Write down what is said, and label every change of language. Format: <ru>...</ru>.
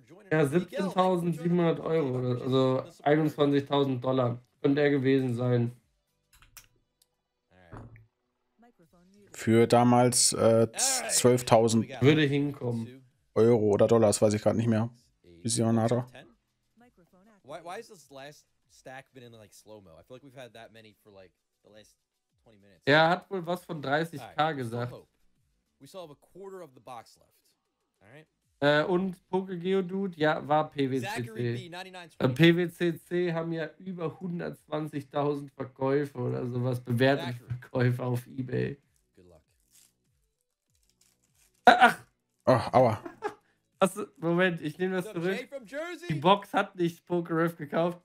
<de>Ja, 17.700 Euro, also 21.000 Dollar könnte er gewesen sein. Für damals 12.000 würde hinkommen. Euro oder Dollar, das weiß ich gerade nicht mehr. Visionator.</de> <en>Why is this last stack been in like slow-mo? I feel like we've had that many for like the last 20 minutes.</en> <de>Er hat wohl was von 30k gesagt.</de> <en>We still have a quarter of the box left.</en> <de>Und PokeGeoDude, ja, war PWCC. PWCC haben ja über 120.000 Verkäufe oder sowas, bewertete Verkäufe auf eBay. Ach! Oh, aua. Moment, ich nehme das zurück. Die Box hat nicht PokeRef gekauft.</de>